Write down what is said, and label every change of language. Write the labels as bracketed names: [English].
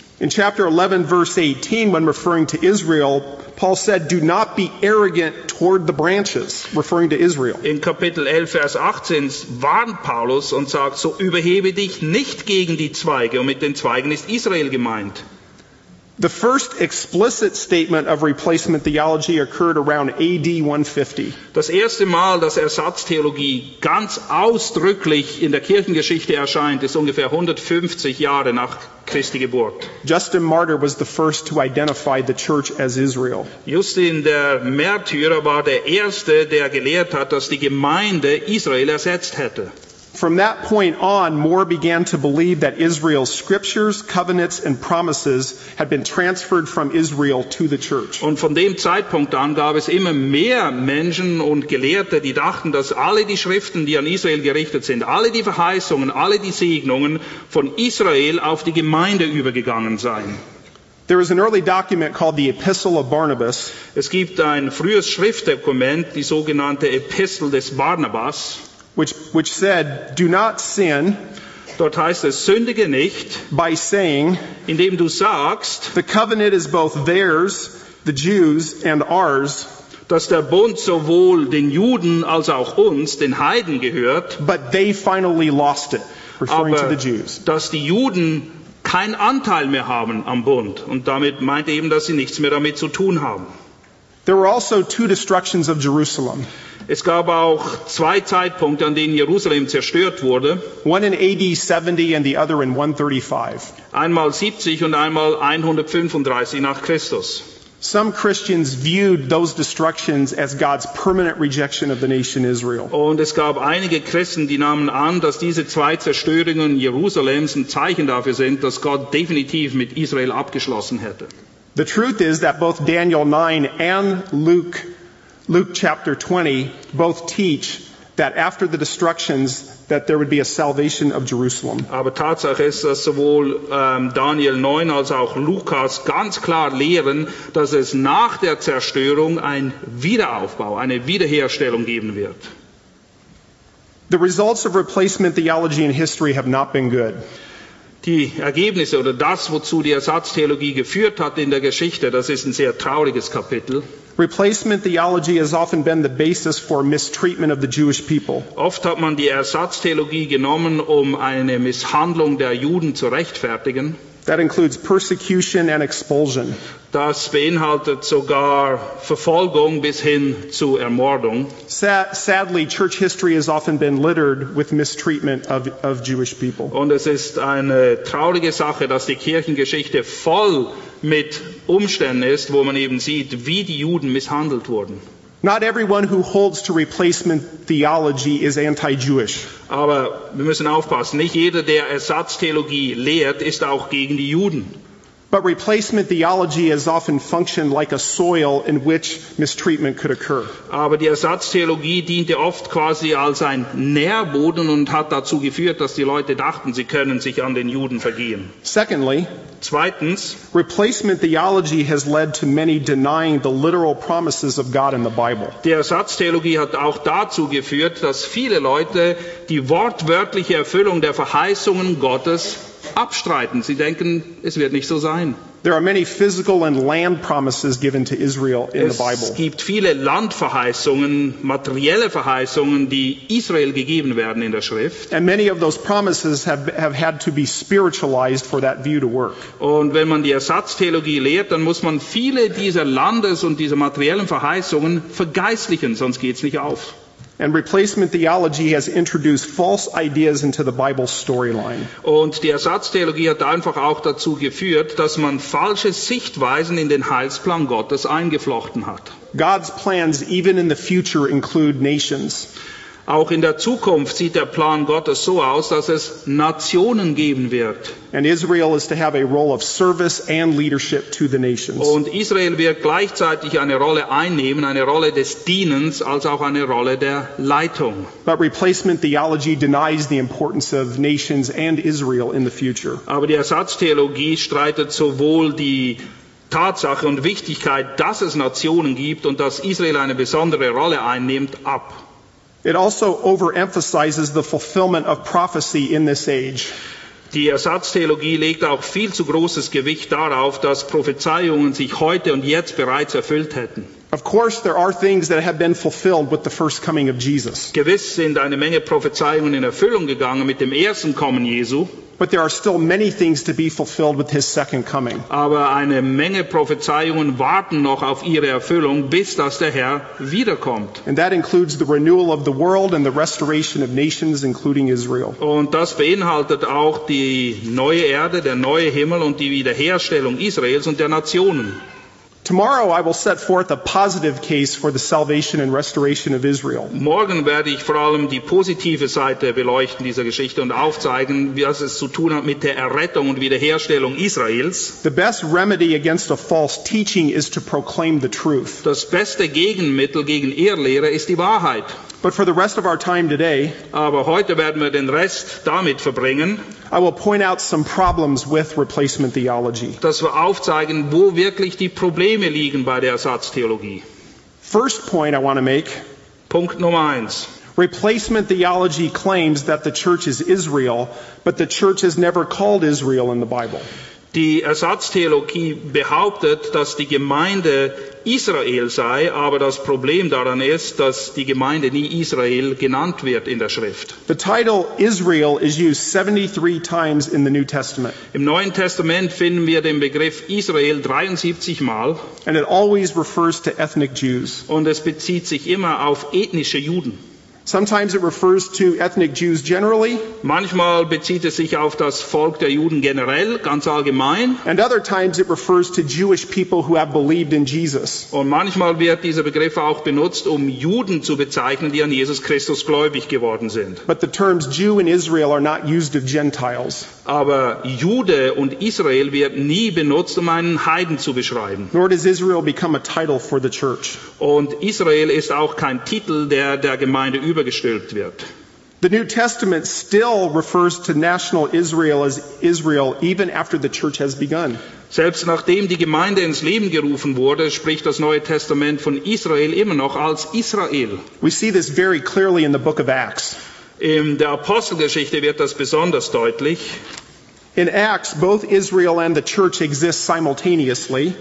[English] In chapter 11, verse 18, when referring to Israel, Paul said, do not be arrogant toward the branches, referring to Israel. [German] In Kapitel 11, Vers 18, warnt Paulus und sagt, so überhebe dich nicht gegen die Zweige, und mit den Zweigen ist Israel gemeint. [English] The first explicit statement of replacement theology occurred around AD 150. [German] Das erste Mal, dass Ersatztheologie ganz ausdrücklich in der Kirchengeschichte erscheint, ist ungefähr 150 Jahre nach Christi Geburt. [English] Justin Martyr was the first to identify the church as Israel. [German] Justin der Märtyrer war der erste, der gelehrt hat, dass die Gemeinde Israel ersetzt hätte. [English] From that point on, more began to believe that Israel's scriptures, covenants, and promises had been transferred from Israel to the church. [German] Und von dem Zeitpunkt an gab es immer mehr Menschen und Gelehrte, die dachten, dass alle die Schriften, die an Israel gerichtet sind, alle die Verheißungen, alle die Segnungen von Israel auf die Gemeinde übergegangen seien. [English] There is an early document called the Epistle of Barnabas. [German] Es gibt ein frühes Schriftdokument, die sogenannte Epistel des Barnabas. [English] Which said, do not sin. [German] Dort heißt es, sündige nicht. [English] By saying, [German] indem du sagst, [English] the covenant is both theirs, the Jews, and ours. [German] Dass der Bund sowohl den Juden als auch uns, den Heiden, gehört. [English] But they finally lost it, referring to the Jews. [German] Dass die Juden keinen Anteil mehr haben am Bund. Und damit meint eben, dass sie nichts mehr damit zu tun haben. [English] There were also two destructions of Jerusalem. [German] Es gab auch zwei Zeitpunkte, an denen Jerusalem zerstört wurde. [English] One in AD 70 and the other in 135. [German] Einmal 70 und einmal 135 nach Christus. [English] Some Christians viewed those destructions as God's permanent rejection of the nation Israel. [German] Und es gab einige Christen, die nahmen an, dass diese zwei Zerstörungen Jerusalems ein Zeichen dafür sind, dass Gott definitiv mit Israel abgeschlossen hätte. [English] The truth is that both Daniel 9 and Luke chapter 20 both teach that after the destructions that there would be a salvation of Jerusalem. [German] Aber Tatsache ist, dass sowohl Daniel 9 als auch Lukas ganz klar lehren, dass es nach der Zerstörung ein Wiederaufbau, eine Wiederherstellung geben wird. [English] The results of replacement theology in history have not been good. [German] Die Ergebnisse oder das, wozu die Ersatztheologie geführt hat in der Geschichte, das ist ein sehr trauriges Kapitel. [English] Replacement theology has often been the basis for mistreatment of the Jewish people. [German] Oft hat man die Ersatztheologie genommen, um eine Misshandlung der Juden zu rechtfertigen. [English] That includes persecution and expulsion. [German] Das beinhaltet sogar Verfolgung bis hin zu Ermordung. [English] Sadly, church history has often been littered with mistreatment of Jewish people. [German] Und es ist eine traurige Sache, dass die Kirchengeschichte voll mit Umständen ist, wo man eben sieht, wie die Juden misshandelt wurden. [English] Not everyone who holds to replacement theology is anti-Jewish. [German] Aber wir müssen aufpassen, nicht jeder, der Ersatztheologie lehrt, ist auch gegen die Juden. [English] But replacement theology has often functioned like a soil in which mistreatment could occur. [German] Aber die Ersatztheologie diente oft quasi als ein Nährboden und hat dazu geführt, dass die Leute dachten, sie können sich an den Juden vergehen. [English] Secondly, [German] zweitens, [English] replacement theology has led to many denying the literal promises of God in the Bible. [German] Die Ersatztheologie hat auch dazu geführt, dass viele Leute die wortwörtliche Erfüllung der Verheißungen Gottes abstreiten. Sie denken, es wird nicht so sein. [English] There are many physical and land promises given to Israel in the Bible. [German] Es gibt viele Landverheißungen, materielle Verheißungen, die Israel gegeben werden in der Schrift. [English] And many of those promises have had to be spiritualized for that view to work. [German] Und wenn man die Ersatztheologie lehrt, dann muss man viele dieser Landes- und dieser materiellen Verheißungen vergeistlichen, sonst geht's nicht auf. [English] And replacement theology has introduced false ideas into the Bible storyline. [German] Und die Ersatztheologie hat einfach auch dazu geführt, dass man falsche Sichtweisen in den Heilsplan Gottes eingeflochten hat. [English] God's plans even in the future include nations. [German] Auch in der Zukunft sieht der Plan Gottes so aus, dass es Nationen geben wird. [English] And Israel is to have a role of service and leadership to the nations. [German] Und Israel wird gleichzeitig eine Rolle einnehmen, eine Rolle des Dienens, als auch eine Rolle der Leitung. [English] But replacement theology denies the importance of nations and Israel in the future. [German] Aber die Ersatztheologie streitet sowohl die Tatsache und Wichtigkeit, dass es Nationen gibt und dass Israel eine besondere Rolle einnimmt, ab. [English] It also overemphasizes the fulfillment of prophecy in this age. [German] Die Ersatztheologie legt auch viel zu großes Gewicht darauf, dass Prophezeiungen sich heute und jetzt bereits erfüllt hätten. [English] Of course, there are things that have been fulfilled with the first coming of Jesus. [German] Gewiss sind eine Menge Prophezeiungen in Erfüllung gegangen mit dem ersten Kommen Jesu. [English] But there are still many things to be fulfilled with his second coming. [German] Aber eine Menge Prophezeiungen warten noch auf ihre Erfüllung, bis dass der Herr wiederkommt. [English] And that includes the renewal of the world and the restoration of nations, including Israel. [German] Und das beinhaltet auch die neue Erde, der neue Himmel und die Wiederherstellung Israels und der Nationen. [English] Tomorrow I will set forth a positive case for the salvation and restoration of Israel. [German] Morgen werde ich vor allem die positive Seite beleuchten dieser Geschichte und aufzeigen, was es zu tun hat mit der Errettung und Wiederherstellung Israels. [English] The best remedy against a false teaching is to proclaim the truth. [German] Das beste Gegenmittel gegen Irrlehre ist die Wahrheit. [English] But for the rest of our time today, [German] aber heute werden wir den Rest damit verbringen, [English] I will point out some problems with replacement theology. [German] Dass wir aufzeigen, wo wirklich die Probleme liegen bei der Ersatztheologie. [English] First point I want to make. [German] Punkt Nummer 1. [English] Replacement theology claims that the church is Israel, but the church is never called Israel in the Bible. [German] Die Ersatztheologie behauptet, dass die Gemeinde Israel sei, aber das Problem daran ist, dass die Gemeinde nie Israel genannt wird in der Schrift. [English] The title Israel is used 73 times in the New Testament. [German] Im Neuen Testament finden wir den Begriff Israel 73 Mal. [English] And it always refers to ethnic Jews. [German] Und es bezieht sich immer auf ethnische Juden. [English] Sometimes it refers to ethnic Jews generally. [German] Manchmal bezieht es sich auf das Volk der Juden generell, ganz allgemein. [English] And other times it refers to Jewish people who have believed in Jesus. [German] Und manchmal wird dieser Begriff auch benutzt, um Juden zu bezeichnen, die an Jesus Christus gläubig geworden sind. [English] But the terms Jew and Israel are not used of Gentiles. [German] Aber Jude und Israel wird nie benutzt, um einen Heiden zu beschreiben. [English] Nor does Israel become a title for the church. [German] Und Israel ist auch kein Titel, der der Gemeinde übergestülpt wird. [English] The New Testament still refers to national Israel as Israel even after the church has begun. [German] Selbst nachdem die Gemeinde ins Leben gerufen wurde, spricht das Neue Testament von Israel immer noch als Israel. [English] We see this very clearly in the book of Acts. [German] In der Apostelgeschichte wird das besonders deutlich. [English] In Acts, both Israel and the church exist simultaneously.